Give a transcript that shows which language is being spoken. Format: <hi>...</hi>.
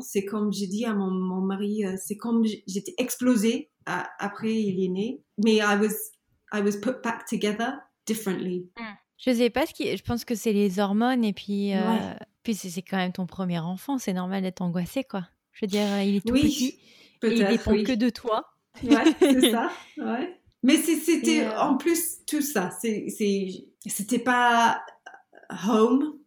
<fr>C'est comme j'ai dit à mon mari, c'est comme j'étais explosée après il est né.</fr> <en>Mais I was put back together differently.</en> <fr>Je sais pas ce qui. Je pense que c'est les hormones et puis puis c'est quand même ton premier enfant. C'est normal d'être angoissée, quoi. Je veux dire, il est tout petit. Peut-être, il dépend que de toi. Ouais, c'est ça. Ouais. Mais c'était en plus tout ça. C'était pas home.</fr>